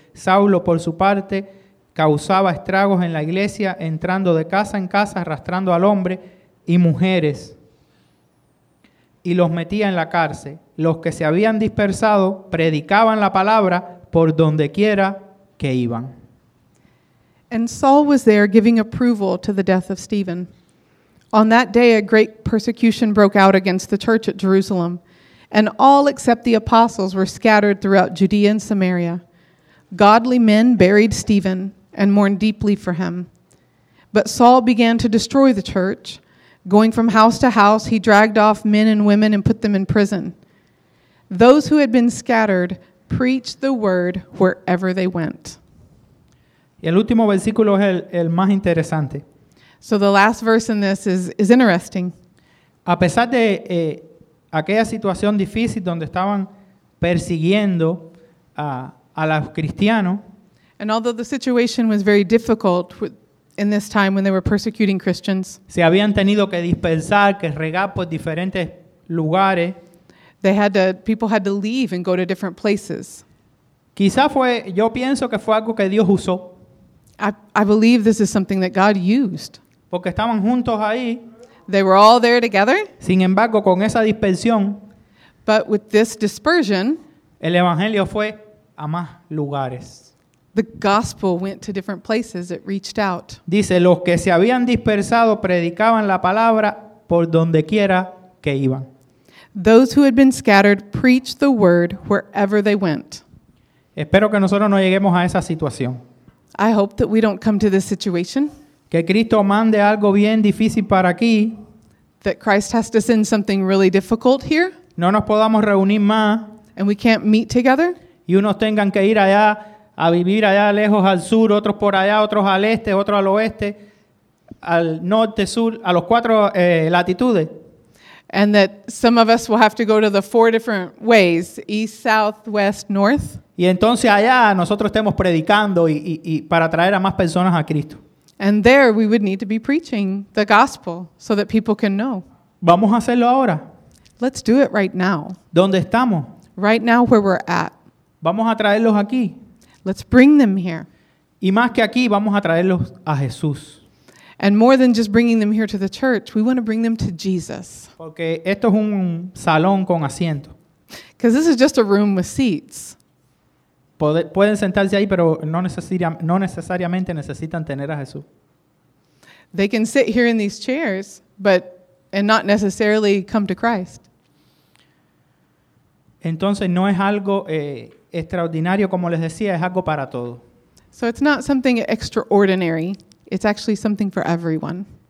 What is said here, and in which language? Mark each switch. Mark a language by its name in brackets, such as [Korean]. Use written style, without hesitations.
[Spanish] Saulo, por su parte, causaba estragos en la iglesia, entrando de casa en casa, arrastrando al hombre y mujeres, y los metía en la cárcel. Los que se habían dispersado predicaban la palabra por dondequiera que iban. [English] And Saul was there giving approval to the death of Stephen. On that day, a great persecution broke out against the church at Jerusalem, and all except the apostles were scattered throughout Judea and Samaria. Godly men buried Stephen and mourned deeply for him. But Saul began to destroy the church. Going from house to house, he dragged off men and women and put them in prison. Those who had been scattered preached the word wherever they went. [Spanish] Y el último versículo es el más interesante. [English] So the last verse in this is interesting. [Spanish] A pesar de aquella situación difícil donde estaban persiguiendo a los cristianos. [English] And although the situation was very difficult in this time when they were persecuting Christians. [Spanish] Se habían tenido que dispersar, que regar por diferentes lugares. [English] People had to leave and go to different places. [Spanish] Quizá fue, yo pienso que fue algo que Dios usó. [English] I believe this is something that God used. [Spanish] Porque estaban juntos ahí. [English] They were all there together. [Spanish] Sin embargo, con esa dispersión. [English] But with this dispersion. [Spanish] El evangelio fue a más lugares. [English] The gospel went to different places. It reached out. [Spanish] Dice, los que se habían dispersado predicaban la palabra por donde quiera que iban. [English] Those who had been scattered preached the word wherever they went. [Spanish] Espero que nosotros no lleguemos a esa situación. [English] I hope that we don't come to this situation. [Spanish] Que Cristo mande algo bien difícil para aquí. [English] That Christ has to send something really difficult here. [Spanish] No nos podamos reunir más. [English] And we can't meet together. [Spanish] Y unos tengan que ir allá a vivir allá lejos al sur, otros por allá, otros al este, otros al oeste, al norte, sur, a los cuatro latitudes. [English] And that some of us will have to go to the four different ways, east, south, west, north. [Spanish] Y entonces allá nosotros estemos predicando y para traer a más personas a Cristo. [English] And there we would need to be preaching the gospel so that people can know. [Spanish] Vamos a hacerlo ahora. [English] Let's do it right now. [Spanish] ¿Dónde estamos? [English] Right now where we're at. [Spanish] Vamos a traerlos aquí. [English] Let's bring them here. [Spanish] Y más que aquí, vamos a traerlos a Jesús. [English] And more than just bringing them here to the church, we want to bring them to Jesus. [Spanish] Porque esto es un salón con asiento. [English] Because this is just a room with seats. [Spanish] Pueden sentarse ahí, pero no necesariamente necesitan tener a Jesús. [English] They can sit here in these chairs, and not necessarily come to Christ. [Spanish] Entonces no es algo extraordinario, como les decía, es algo para todo. [English] So it's not something extraordinary. It's actually something for everyone.